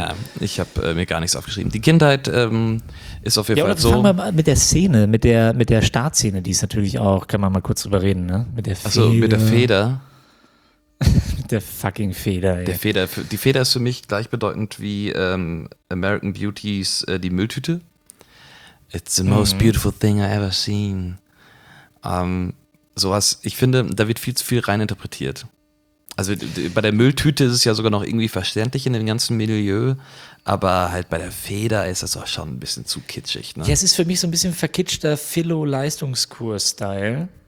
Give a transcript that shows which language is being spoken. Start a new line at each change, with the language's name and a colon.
German: Ja, ich habe mir gar nichts aufgeschrieben. Die Kindheit ist auf jeden Fall so. Ja, fangen wir mal mit der Szene, mit der Startszene, die ist natürlich auch, kann man mal kurz drüber reden, ne? Achso, mit der Feder. Der fucking Feder, ey. Die Feder ist für mich gleichbedeutend wie American Beauties die Mülltüte.
English: It's the most beautiful thing I ever seen.
German: Sowas, ich finde, da wird viel zu viel reininterpretiert. Also bei der Mülltüte ist es ja sogar noch irgendwie verständlich in dem ganzen Milieu, aber halt bei der Feder ist das auch schon ein bisschen zu kitschig, ne? Ja, es ist für mich so ein bisschen verkitschter Philo-Leistungskurs-Style.